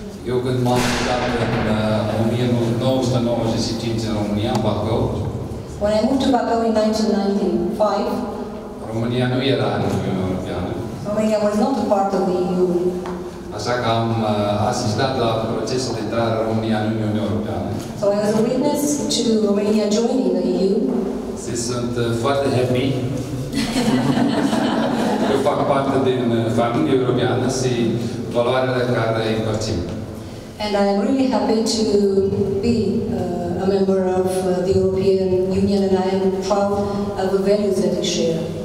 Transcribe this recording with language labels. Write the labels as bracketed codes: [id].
[ro] Eu când m-am mutat în 1995 în România, în Bacău, [en] when I moved to Bacău in 1995, [ro] România nu era în Uniunea Europeană. [en] Romania was not a part of the EU. [ro] Așa că am asistat la procesul de intrare a României în Uniunea Europeană. [en] So I was a witness to Romania joining the EU. [ro] Și sunt foarte happy. Eu fac parte din familia europeană și valoarele care îi împărțim. [en] And I am really happy to be a member of the European Union, and I am proud of the values that we share.